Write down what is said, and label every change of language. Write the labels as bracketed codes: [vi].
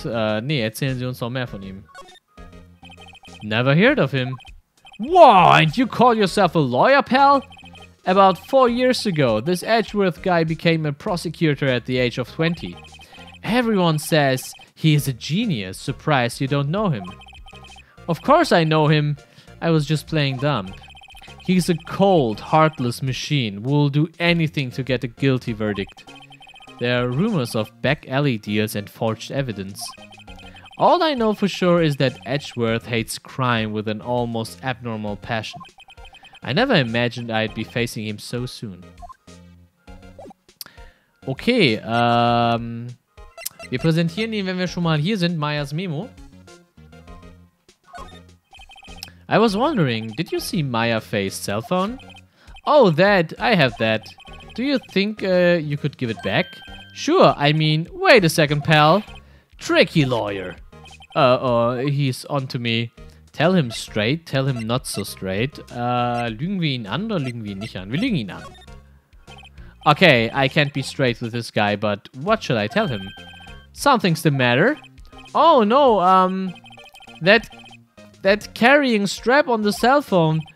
[de] Nee, erzählen Sie uns noch mehr von ihm. [en] Never heard of him. Whoa, and you call yourself a lawyer, pal? About 4 years ago, this Edgeworth guy became a prosecutor at the age of 20. Everyone says he is a genius. Surprised you don't know him. Of course I know him. I was just playing dumb. He's a cold, heartless machine. Will do anything to get a guilty verdict. There are rumors of back alley deals and forged evidence. All I know for sure is that Edgeworth hates crime with an almost abnormal passion. I never imagined I'd be facing him so soon. [de] Okay, wir präsentieren ihn, wenn wir schon mal hier sind, Mayas Memo. [en] I was wondering, did you see Maya Faye's cell phone? Oh, that, I have that. Do you think you could give it back? Sure, I mean, wait a second, pal. Tricky lawyer. He's on to me. Tell him straight, tell him not so straight. [de] Lügen wir ihn an oder lügen wir ihn nicht an? Wir lügen ihn an. [en] Okay, I can't be straight with this guy, but what should I tell him? Something's the matter. Oh, no, that carrying strap on the cell phone.